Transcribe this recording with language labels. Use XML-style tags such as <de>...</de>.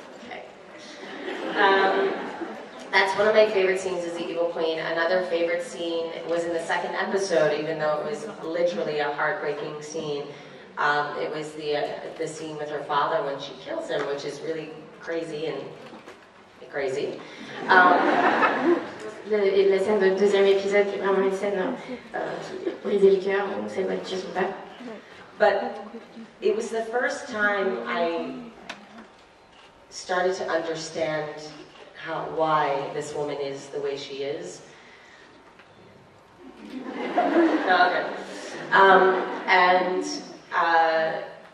<en>Okay. That's one of my favorite scenes as the Evil Queen. Another favorite scene was in the second episode, even though it was literally a heartbreaking scene. It was the scene with her father when she kills him, which is really crazy and crazy.</en> <fr>La scène de deuxième épisode qui est vraiment une scène qui brise le cœur. C'est votre chose ou pas?</fr> <en>But it was the first time I started to understand why this woman is the way she is. Okay.</en>